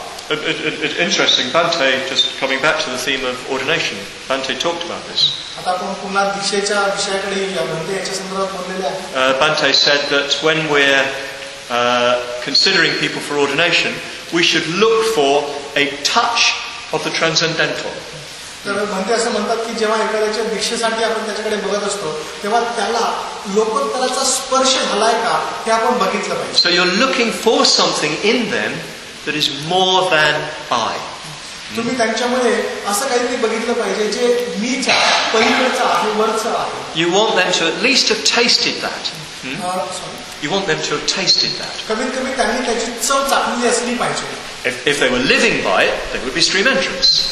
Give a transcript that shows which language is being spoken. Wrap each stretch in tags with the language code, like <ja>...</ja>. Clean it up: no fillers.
<en>Interesting, Bhante, just coming back to the theme of ordination, Bhante talked about this. Bhante said that when we're considering people for ordination, we should look for a touch of the transcendental.</en> <mr>तर म्हणते असं म्हणतात की जेव्हा एखाद्याच्या भिक्षेसाठी आपण त्याच्याकडे बघत असतो तेव्हा त्याला लोकोत्तराचा स्पर्श झालाय का हे आपण बघितलं पाहिजे.</mr> <en>So you're looking for something in them that is more than I.</en> <mr>तुम्ही त्यांच्यामध्ये असं काहीतरी बघितलं पाहिजे जे मीच्या पलीकडचं आहे, वरचं आहे.</mr> <en>You want them to at least have tasted that. You want them to have tasted that.</en> <mr>कमीत कमी त्यांनी त्याची चव चाखली असली पाहिजे.</mr> <en>If they were living by it, there would be stream entrance.</en>